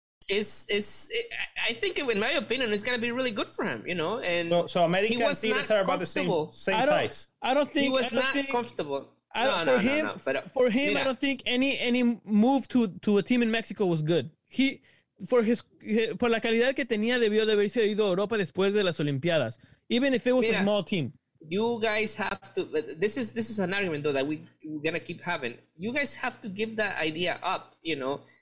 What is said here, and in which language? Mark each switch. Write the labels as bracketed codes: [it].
[en] I think, in my opinion, it's going to be really good for him, you know. And so América and Tigres are about the same size. I don't think any move to a team in Mexico was good. [es] Por la calidad que tenía, debió de haberse ido a Europa después de las Olimpiadas. [en] Even if it was a small team. You guys have to... This is an argument, though, that we're going to keep having. You guys have to give that idea up, you know.